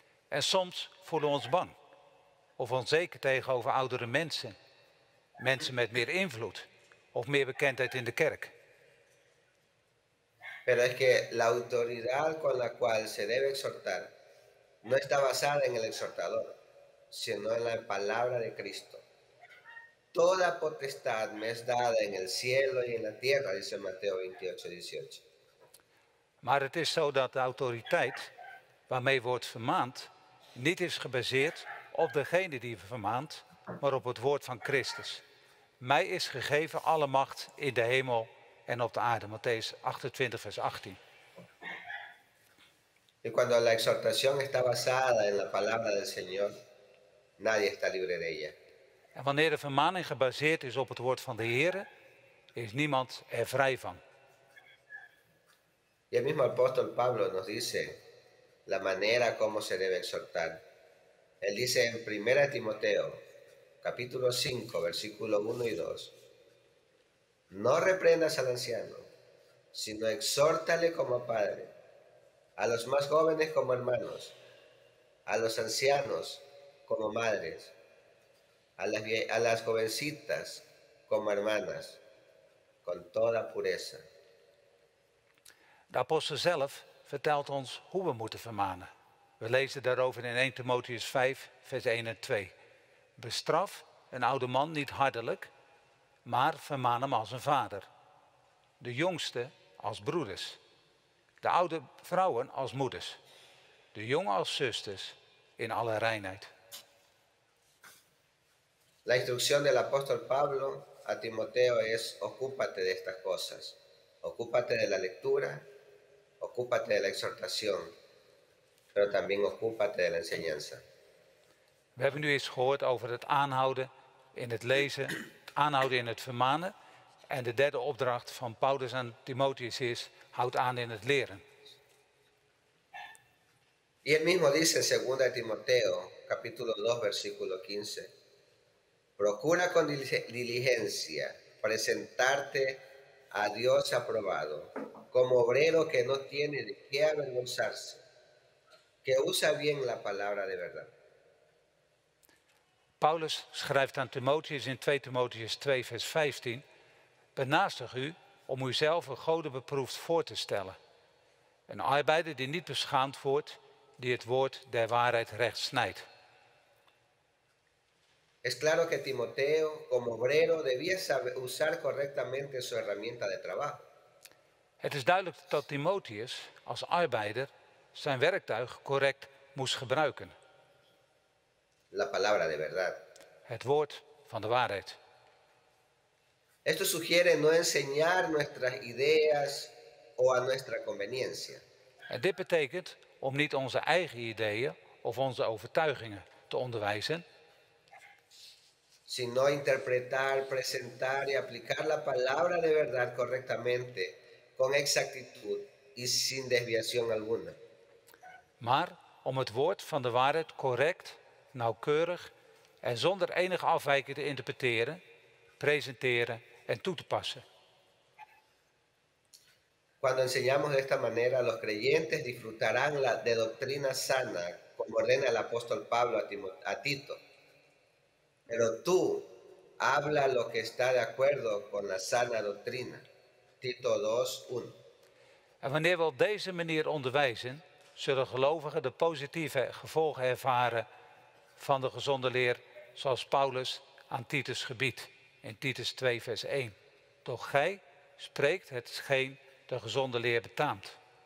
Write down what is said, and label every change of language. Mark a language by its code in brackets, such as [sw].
[nl] En soms voelen we ons bang of onzeker tegenover oudere mensen, mensen met meer invloed of meer bekendheid in de kerk. [es] Pero es que la autoridad con la cual se debe exhortar no está basada en el exhortador, sino en la palabra de Cristo. Toda potestad me es dada en el cielo y en la tierra, dice Mateo 28:18. [nl] Maar het is zo dat de autoriteit waarmee wordt vermaand niet is gebaseerd op degene die vermaand, maar op het woord van Christus. Mij is gegeven alle macht in de hemel en op de aarde. Matthäus 28, vers 18. [es] En cuando la exhortación está basada en la palabra del Señor, nadie está libre de ella. [nl] En wanneer de vermaning gebaseerd is op het woord van de Heer, is niemand er vrij van. [es] Y el mismo apóstol Pablo nos dice la manera como se debe exhortar. Él dice en 1 Timoteo, capítulo 5, versículo 1 y 2. No reprendas al anciano, sino exhórtale como padre, a los más jóvenes como hermanos, a los ancianos como madres, a las jovencitas como hermanas, con toda pureza. [nl] De apostel zelf vertelt ons hoe we moeten vermanen. We lezen daarover in 1 Timotheus 5, vers 1 en 2. Bestraf een oude man niet hardelijk, maar vermaan hem als een vader. De jongste als broeders. De oude vrouwen als moeders. De jonge als zusters in alle reinheid. [es] La instrucción del apóstol Pablo a Timoteo es: ocúpate de estas cosas. Ocúpate de la lectura. Ocúpate de la exhortación, pero también ocúpate de la enseñanza. [nl] We hebben nu eens gehoord over het aanhouden in het lezen, het aanhouden in het vermanen. En de derde opdracht van Paulus aan Timotheus is: houd aan in het leren. [es] Y él mismo dice en 2 Timoteo, capítulo 2, versículo 15: procura con diligencia presentarte a Dios aprobado. Como obrero que no tiene de qué avergonzarse, que usa bien la palabra de verdad. [nl] Paulus schrijft aan Timotheus in 2 Timotheus 2, vers 15: benaastig u om uzelf een godenbeproefd voor te stellen. Een arbeider die niet beschaamd wordt, die het woord der waarheid recht snijdt. [es] Es claro que Timoteo, como obrero, debía saber usar correctamente su herramienta de trabajo. [nl] Het is duidelijk dat Timotheus als arbeider zijn werktuig correct moest gebruiken. [es] La palabra de verdad. [nl] Het woord van de waarheid. [es] Esto sugiere no enseñar nuestras ideas o a nuestra conveniencia. [nl] En dit betekent om niet onze eigen ideeën of onze overtuigingen te onderwijzen. [es] Sino interpretar, presentar y aplicar la palabra de verdad correctamente. Con exactitud y sin desviación alguna. [nl] maar om het woord van de waarheid correct, nauwkeurig en zonder enige afwijking te interpreteren, presenteren en toe te passen. [es] Cuando enseñamos de esta manera, los creyentes disfrutarán de doctrina sana, como ordena el apóstol Pablo a Tito. Pero tú habla lo que está de acuerdo con la sana doctrina. Tito 2:1. [nl] En wanneer we op deze manier onderwijzen, zullen gelovigen de positieve gevolgen ervaren van de gezonde leer, zoals Paulus aan Titus gebiedt in Titus 2, vers 1. Doch gij spreekt hetgeen de gezonde leer betaamt.